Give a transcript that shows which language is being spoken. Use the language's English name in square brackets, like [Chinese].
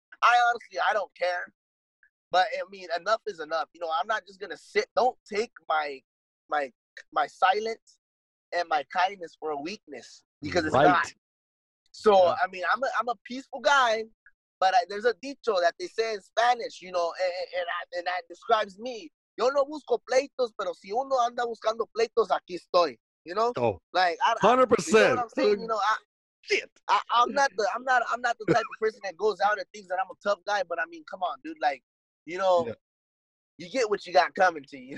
[English] I honestly don't care. But, I mean, enough is enough. You know, I'm not just going to sit. Don't take my silence and my kindness for a weakness, because it's not. So, I mean, I'm a peaceful guy. But there's a dicho that they say in Spanish, you know, and that describes me. [Spanish] Yo no busco pleitos, pero si uno anda buscando pleitos, aquí estoy. [English] You know, like 100%. You know, I'm not the type of person that goes out and thinks that I'm a tough guy. But I mean, come on, dude. Like, you know, you get what you got coming to you.